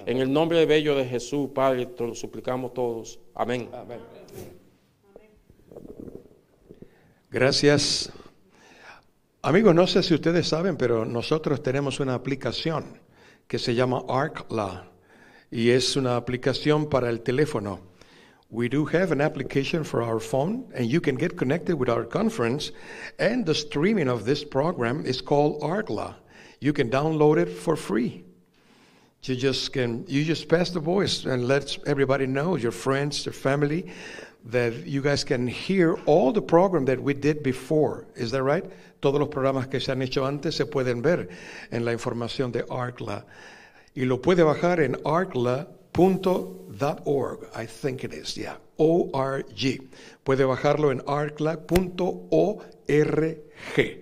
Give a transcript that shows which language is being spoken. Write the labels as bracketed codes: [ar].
[es] En el nombre de bello de Jesús, Padre, te lo suplicamos todos. Amén. Amén. Gracias. Amigos, no sé si ustedes saben, pero nosotros tenemos una aplicación que se llama ArcLa, y es una aplicación para el teléfono. [en] We do have an application for our phone, and you can get connected with our conference, and the streaming of this program is called ArcLa. You can download it for free. You just pass the voice and let everybody know, your friends, your family, that you guys can hear all the program that we did before. Is that right? [es] Todos los programas que se han hecho antes se pueden ver en la información de ArcLa. Y lo puede bajar en arcla.org, [en] I think it is, yeah, [es] O-R-G. Puede bajarlo en arcla.org.